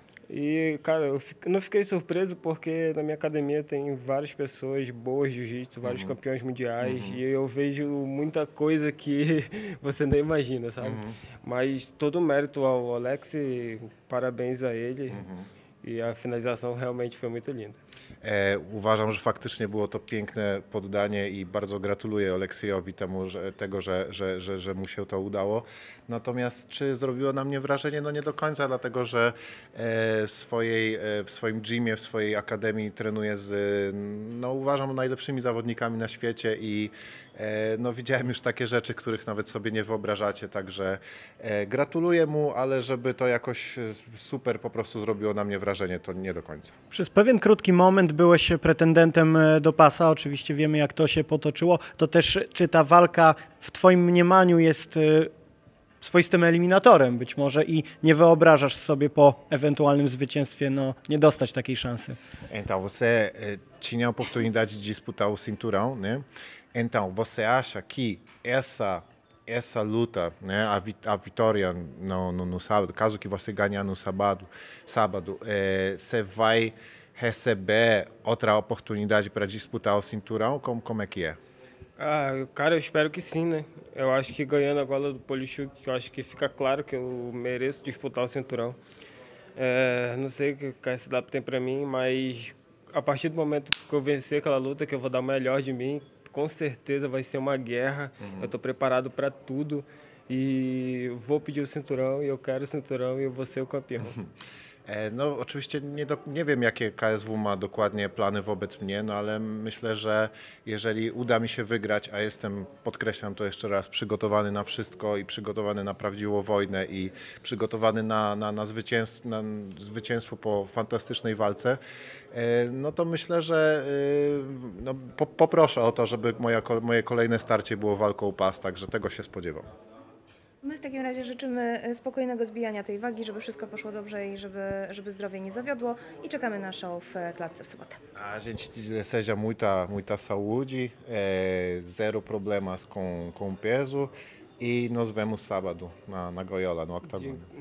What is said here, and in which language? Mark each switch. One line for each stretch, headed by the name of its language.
Portuguese: E, cara, eu não fiquei surpreso porque na minha academia tem várias pessoas boas de jiu-jitsu, vários campeões mundiais, e eu vejo muita coisa que você nem imagina, sabe? Mas todo o mérito ao Alex, parabéns a ele.
Polish: I a finalizacja realmente była bardzo piękna. Uważam, że faktycznie było to piękne poddanie i bardzo gratuluję Oleksijowi tego, że mu się to udało. Natomiast czy zrobiło na mnie wrażenie? No nie do końca, dlatego że w swoim gymie, w swojej akademii trenuję z, no uważam, najlepszymi zawodnikami na świecie i no widziałem już takie rzeczy, których nawet sobie nie wyobrażacie, także gratuluję mu, ale żeby to jakoś super po prostu zrobiło na mnie wrażenie, to nie do końca. Przez pewien krótki moment byłeś pretendentem do pasa, oczywiście wiemy, jak to się potoczyło, to też czy ta walka w twoim mniemaniu jest swoistym eliminatorem być może i nie wyobrażasz sobie po ewentualnym zwycięstwie no, nie dostać takiej szansy.
Portuguese: Então, você tinha oportunidade de disputar o cinturão, né? Então, você acha que essa luta, né, a vitória no sábado, caso que você ganhe no sábado, você vai receber outra oportunidade para disputar o cinturão? Como é que é? Ah, cara, eu espero que sim, né? Eu acho que ganhando agora do Poliszczuk, eu acho que fica claro que eu mereço disputar o cinturão. Não sei o que o KSW tem para mim, mas a partir do momento que eu vencer aquela luta, que eu vou dar o melhor de mim, com certeza vai ser uma guerra. Eu tô preparado para tudo e vou pedir o cinturão e eu quero o cinturão e eu vou ser o campeão.
Polish: No oczywiście nie wiem, jakie KSW ma dokładnie plany wobec mnie, no ale myślę, że jeżeli uda mi się wygrać, a jestem, podkreślam to jeszcze raz, przygotowany na wszystko i przygotowany na prawdziwą wojnę i przygotowany na zwycięstwo po fantastycznej walce, no to myślę, że no, poproszę o to, żeby moje kolejne starcie było walką o pas, także tego się spodziewam. My w takim razie życzymy spokojnego zbijania tej wagi, żeby wszystko poszło dobrze i żeby zdrowie nie zawiodło i czekamy na show w klatce w sobotę.
Portuguese: A gente deseja muita saúde, zero problemas com peso i nos vemos sábado na Goiola, no octagon.